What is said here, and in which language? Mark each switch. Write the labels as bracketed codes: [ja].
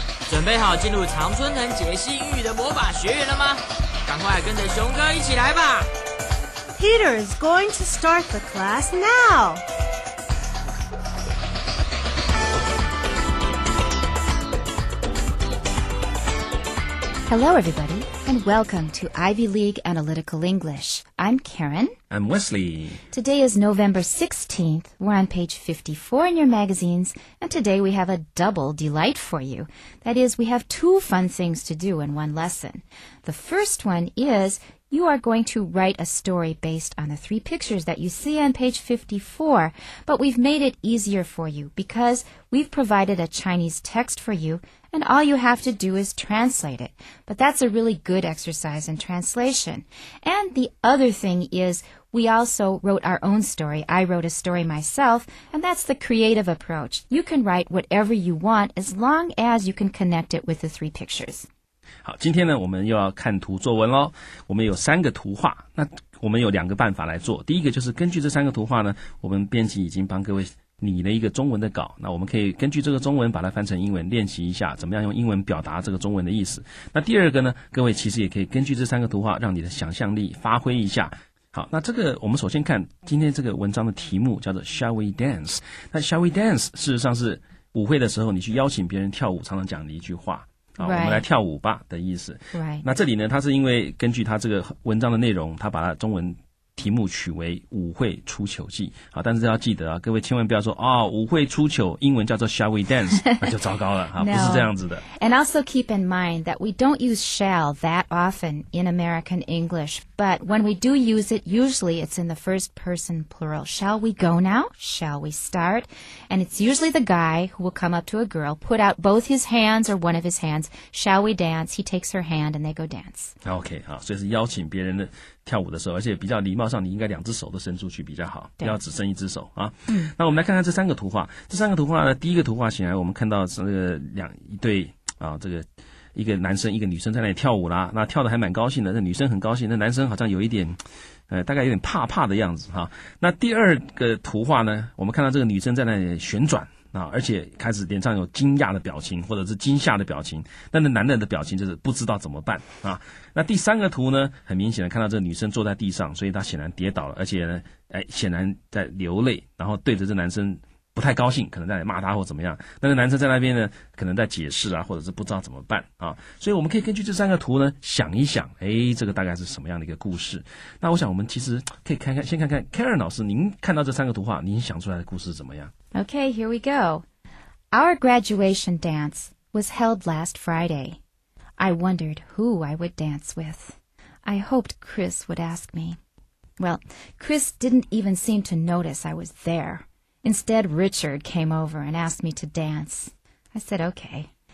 [zh] 准备好进入常春藤解析英语的魔法学院了吗？赶快跟着熊哥一起来吧 [en] ！Peter is going to start the class now. Hello, everybody, and welcome to Ivy League Analytical English. I'm Karen. I'm Wesley. Today is November 16th. We're on page 54 in your magazines, and today we have a double delight for you. That is, we have two fun things to do in one lesson. The first one is you are going to write a story based on the three pictures that you see on page 54, but we've made it easier for you because we've provided a Chinese text for you, and all you have to do is translate it. But that's a really good exercise in translation. And the other thing is we also wrote our own story. I wrote a story myself, and that's the creative approach. You can write whatever you want as long as you can connect it with the three pictures. [zh] 好，今天呢，我们又要看图作文咯。我们有三个图画，那我们有两个办法来做。第一个就是根据这三个图画呢，我们编辑已经帮各位拟了一个中文的稿，那我们可以根据这个中文把它翻成英文，练习一下怎么样用英文表达这个中文的意思。那第二个呢，各位其实也可以根据这三个图画，让你的想象力发挥一下。好，那这个我们首先看今天这个文章的题目叫做 Shall we dance？那 Shall we dance 事实上是舞会的时候你去邀请别人跳舞常常讲的一句话。好、 [en] right. [zh] 我们来跳舞吧的意思。 [en] Right. [zh] 那这里呢他是因为根据他这个文章的内容他把他中文题目取为舞会出糗记。好但是要记得啊各位千万不要说啊、哦、舞会出糗英文叫做 shall we dance, 那就糟糕了好、 [en] no. [zh] 不是这样子的。 [en] And also keep in mind that we don't use shall that often in American English, but when we do use it, usually it's in the first person plural. Shall we go now? Shall we start? And it's usually the guy who will come up to a girl, put out both his hands or one of his hands. Shall we dance? He takes her hand and they go dance. [zh] Okay, 好所以是邀请别人的跳舞的时候而且比较礼貌上你应该两只手都伸出去比较好不要只伸一只手啊、嗯。那我们来看看这三个图画这三个图画呢第一个图画显然我们看到是那个两一对啊这个一个男生一个女生在那里跳舞啦那跳得还蛮高兴的那女生很高兴那男生好像有一点大概有点怕怕的样子啊。那第二个图画呢我们看到这个女生在那里旋转啊而且开始脸上有惊讶的表情或者是惊吓的表情但是男人的表情就是不知道怎么办啊。那第三个图呢很明显的看到这个女生坐在地上所以她显然跌倒了而且呢显然在流泪然后对着这男生不太高兴可能在骂他或怎么样但是男生在那边呢可能在解释啊或者是不知道怎么办啊。所以我们可以根据这三个图呢想一想诶这个大概是什么样的一个故事。那我想我们其实可以看看先看看 Karen 老师您看到这三个图画您想出来的故事怎么样 [en] Okay, here we go. Our graduation dance was held last Friday. I wondered who I would dance with. I hoped Chris would ask me. Well, Chris didn't even seem to notice I was there. Instead, Richard came over and asked me to dance. I said, okay.